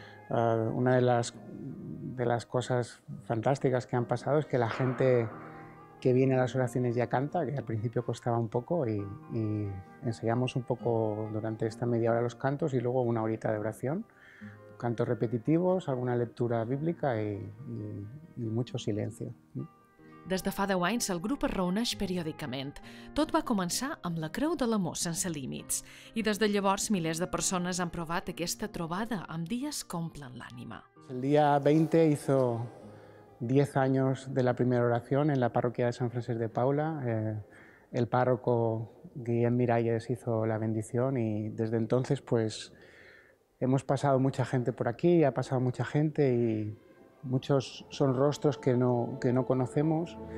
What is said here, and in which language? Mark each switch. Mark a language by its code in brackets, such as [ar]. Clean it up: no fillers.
[es] Una de las cosas fantásticas que han pasado es que la gente que viene a las oraciones ya canta, que al principio costaba un poco, y ensayamos un poco durante esta media hora los cantos y luego una horita de oración, cantos repetitivos, alguna lectura bíblica y mucho silencio. [ca] Des de fa 10 anys, el grup es reuneix periòdicament. Tot va començar amb la Creu de l'Amor sense límits. I des de llavors, milers de persones han provat aquesta trobada amb dies que omplen l'ànima. [es] El dia 20 hizo 10 años de la primera oración en la parroquia de San Francisco de Paula. El párroco Guillem Miralles hizo la bendición y desde entonces pues hemos pasado mucha gente por aquí, ha pasado mucha gente y muchos son rostros que no conocemos.